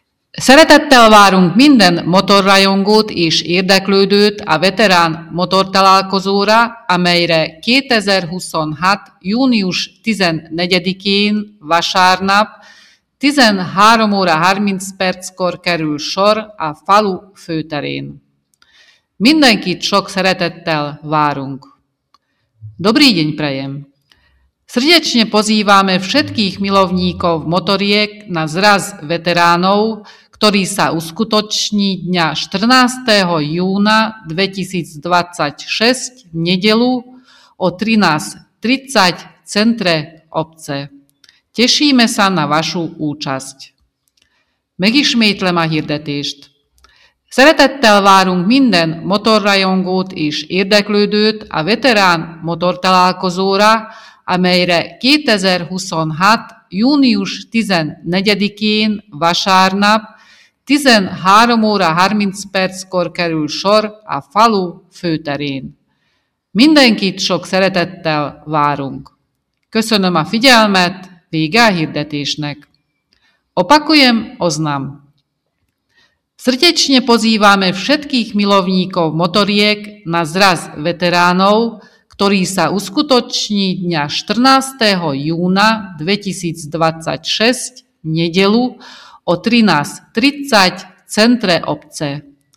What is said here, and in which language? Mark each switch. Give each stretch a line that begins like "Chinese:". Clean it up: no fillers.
Hungarian: Szeretettel várunk minden motorrajongót és érdeklődőt a veterán motortalálkozóra, amelyre 2026. június 14-én vasárnap 13 óra 30 perckor kerül sor a falu főterén. Mindenkit sok szeretettel várunk!
Slovak: Dobrý deň prajem! Srdečne pozývame všetkých milovníkov motoriek na zraz veteránov, ktorý sa uskutoční dňa 14. júna 2026 v nedeľu o 13.30 v centre obce. Tešíme sa na vašu účasť.
Hungarian: Megismétlem a hirdetést. Szeretettel várunk minden motorrajongót és érdeklődőt a veterán motortalálkozóra, amelyre 2026. június 14-én vasárnap 13 óra 30 perckor kerül sor a falu főterén. Mindenkit sok szeretettel várunk. Köszönöm a figyelmet, vége a hirdetésnek.
Slovak: Opakujem, oznam. Srdečne pozývame všetkých milovníkov motoriek na zraz veteránov, ktorý sa uskutoční dňa 14. júna 2026 v nedeľu o 13.30 v centre obce.